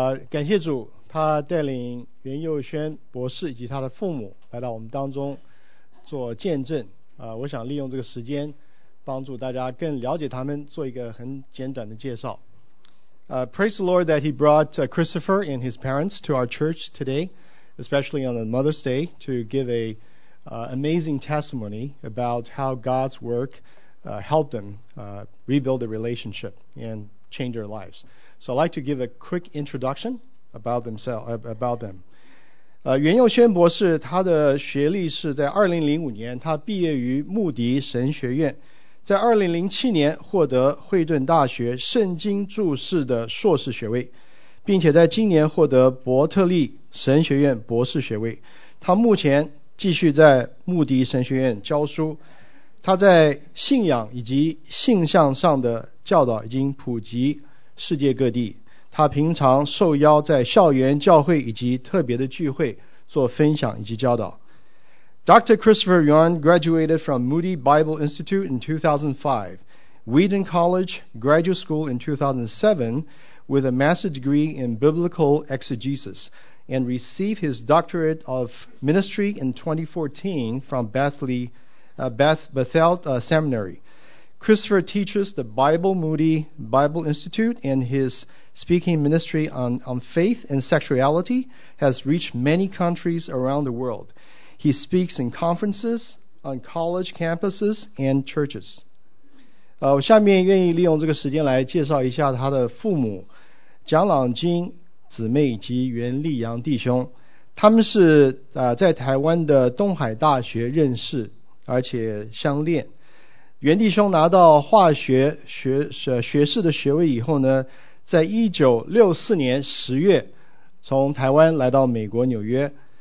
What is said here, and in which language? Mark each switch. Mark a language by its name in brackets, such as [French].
[Chinese] 感谢主，他带领袁佑轩博士以及他的父母来到我们当中做见证。我想利用这个时间帮助大家更了解他们，做一个很简短的介绍。 [English] Praise the Lord that he brought Christopher and his parents to our church today, especially on the Mother's Day, to give an amazing testimony about how God's work helped them rebuild the relationship and change their lives. So I'd like to give a quick introduction about them. [Chinese] 袁佑轩博士他的学历是在2005年他毕业于穆迪神学院，在2007年获得惠顿大学圣经注释的硕士学位，并且在今年获得伯特利神学院博士学位。他目前继续在穆迪神学院教书，他在信仰以及性向上的教导已经普及世界各地。他平常受邀在校园教会以及特别的聚会做分享以及教导。 [English] Dr. Christopher Yuan graduated from Moody Bible Institute in 2005, Wheaton College Graduate School in 2007 with a master's degree in biblical exegesis, and received his doctorate of ministry in 2014 from Bethel Seminary. Christopher teaches the Bible Moody Bible Institute, and his speaking ministry on faith and sexuality has reached many countries around the world. He speaks in conferences, on college campuses, and churches. [Chinese] 我下面愿意利用这个时间来介绍一下他的父母，蒋朗金姊妹及袁立阳弟兄。他们是在台湾的东海大学认识而且相恋。袁弟兄拿到化学 学士的学位以后呢，在1964年10月从台湾来到美国纽约。